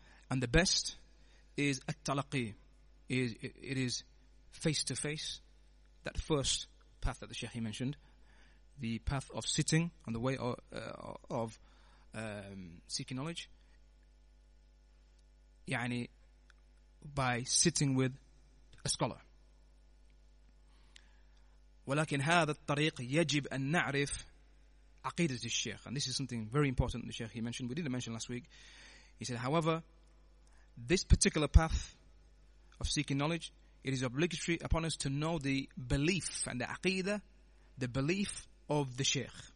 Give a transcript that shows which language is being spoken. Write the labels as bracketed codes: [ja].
[en] and the best is at-talaqi, it is face to face, that first path that the Sheikh he mentioned, the path of sitting on the way of seeking knowledge, yani by sitting with a scholar. [ar] ولكن هذا الطريق يجب أن نعرف عقيدة الشيخ. [en] And this is something very important the Sheikh he mentioned. We didn't mention last week. He said, however, this particular path of seeking knowledge, it is obligatory upon us to know the belief and the aqidah, the belief of the Sheikh.